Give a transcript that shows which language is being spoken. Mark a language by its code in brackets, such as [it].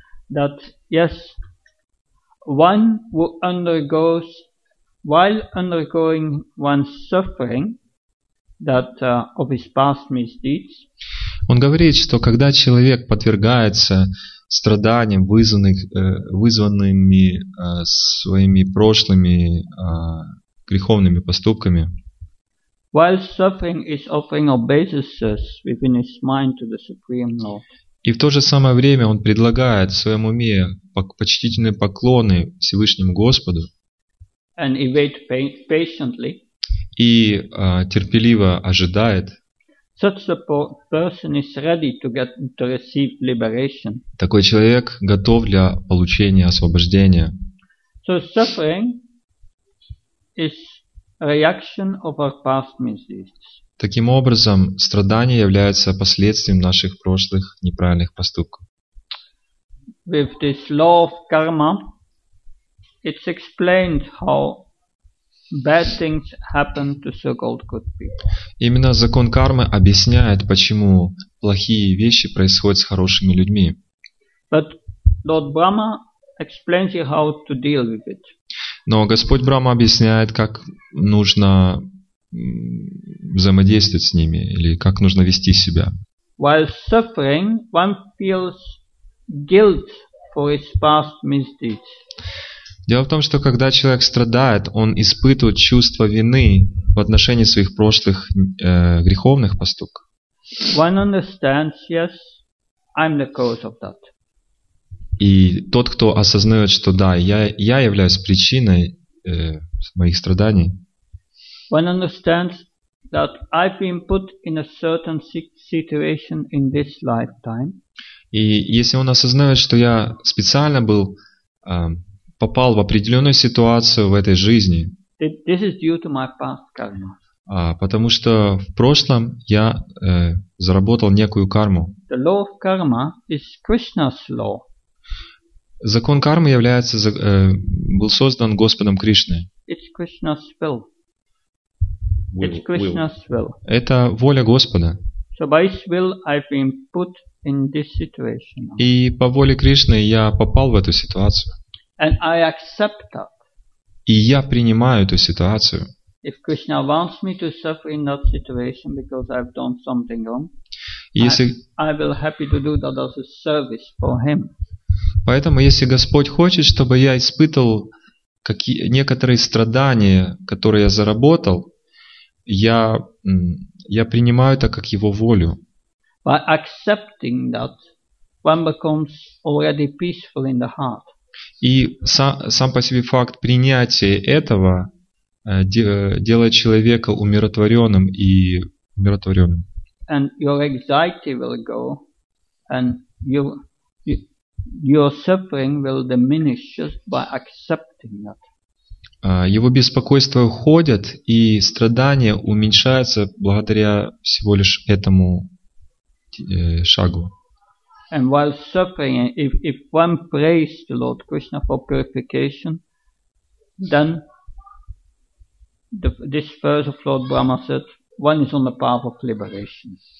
[en] That yes, one who undergoes while undergoing one's suffering, that of his past misdeeds. [ru] Он говорит, что когда человек подвергается страданиям, вызванными своими прошлыми греховными поступками. [en] While suffering is offering obeisances within his mind to the Supreme Lord. [ru] И в то же самое время он предлагает в своем уме почтительные поклоны Всевышнему Господу [en] and he wait patiently. [ru] И терпеливо ожидает. [en] Such a person is ready to get, to receive liberation. [ru] Такой человек готов для получения освобождения. [en] So suffering is a reaction of our past misdeeds. [ru] Таким образом, страдание является последствием наших прошлых неправильных поступков. [en] With this law of karma, it's explained how bad things happen to so-called good people. [ru] Именно закон кармы объясняет, почему плохие вещи происходят с хорошими людьми. [en] But Lord Brahma explains you how to deal with it. [ru] Но Господь Брахма объясняет, как нужно взаимодействовать с ними или как нужно вести себя. [en] While suffering, one feels guilt for his past misdeeds. [ru] Дело в том, что когда человек страдает, он испытывает чувство вины в отношении своих прошлых греховных поступков. [en] One understands, yes, I'm the cause of that. [ru] И тот, кто осознает, что да, я являюсь причиной моих страданий. [en] One understands that I've been put in a certain situation in this lifetime. [ru] И если он осознает, что я специально был попал в определенную ситуацию в этой жизни. [en] This is due to my past karma. [ru] Потому что в прошлом я заработал некую карму. [en] The law of karma is Krishna's law. [ru] Закон кармы является был создан Господом Кришной. [en] It's Krishna's will. It's Krishna's will. [ru] Это воля Господа. [en] So by his will I've been put in this situation. [ru] И по воле Кришны я попал в эту ситуацию. [en] And I accept that. [ru] И я принимаю эту ситуацию. [en] If Krishna wants me to suffer in that situation because I've done something wrong, I will happy to do that as a service for him. [ru] Поэтому если Господь хочет, чтобы я испытывал некоторые страдания, которые я заработал, Я принимаю это как его волю. [en] By accepting that, one becomes already peaceful in the heart. [ru] И сам по себе факт принятия этого делает человека умиротворенным и умиротворенным. [en] And your anxiety will go, and your suffering will diminish just by accepting that. [ru] Его беспокойства уходят, и страдания уменьшаются благодаря всего лишь этому шагу. [en] And while suffering, if one prays to Lord Krishna for purification, then this verse of Lord Brahma said, one is on the path of liberation.